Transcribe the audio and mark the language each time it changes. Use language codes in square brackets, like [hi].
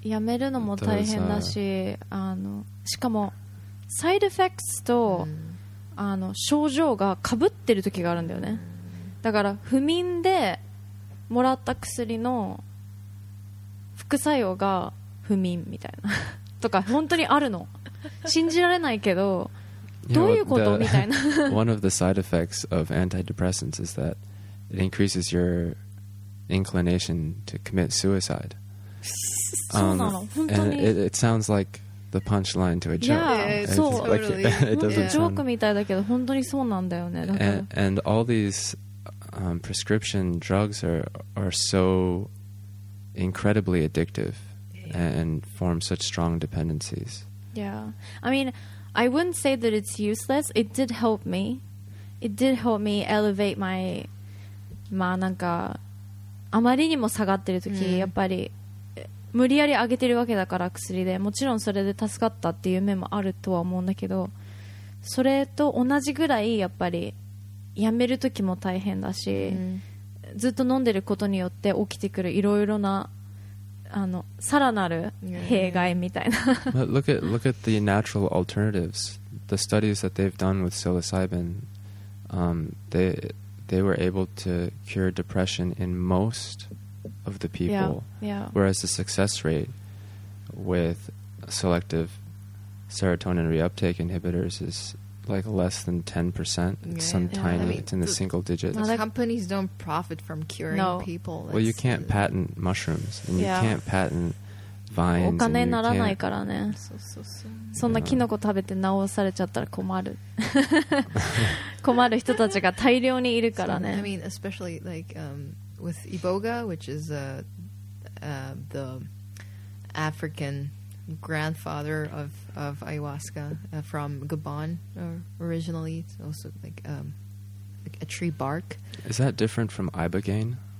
[ja] やめるのも大変だし、あの、しかも、サイドエフェクトと、あの、症状が被ってる時があるんだよね。だから不眠でもらった薬の副作用が不眠みたいなとか本当にあるの、信じられないけど、どういうこと [en] you know, [ja] みたいな。 [en] One of the side effects of antidepressants is that it increases your inclination to commit suicide. [ja] そうなの、本当に。 [en] It sounds like the punchline to a joke. Yeah, it's so like, totally. It doesn't sound... [ja] みたいだけど本当にそうなんだよね。だから [en] and all theseprescription drugs are so incredibly addictive and form such strong dependencies. Yeah. I mean, I wouldn't say that it's useless. It did help me. It did help me elevate my... [ja] まあなんか、あまりにも下がってる時、やっぱり無理やり上げてるわけだから薬で、もちろんそれで助かったっていう面もあるとは思うんだけど、それと同じぐらいやっぱり、やめるときも大変だし、ずっと飲んでることによって起きてくるいろいろなあのさらなる弊害みたいな。 [en] But look at the natural alternatives. The studies that they've done with psilocybin, they were able to cure depression in most of the people. Yeah, yeah. Whereas the success rate with selective serotonin reuptake inhibitors is... like less than 10%. It's some tiny, I mean, it's in the single digits. The companies don't profit from curing people. Well, you can't patent mushrooms, and you can't patent vines. [ja] お金にならないからね。そんなキノコ食べて治されちゃったら困る。困る人たちが大量にいるからね。 [en] I mean, especially like with Iboga, which is the African... grandfather of ayahuasca from Gabon originally. It's also like a tree bark. Is that different from ibogaine?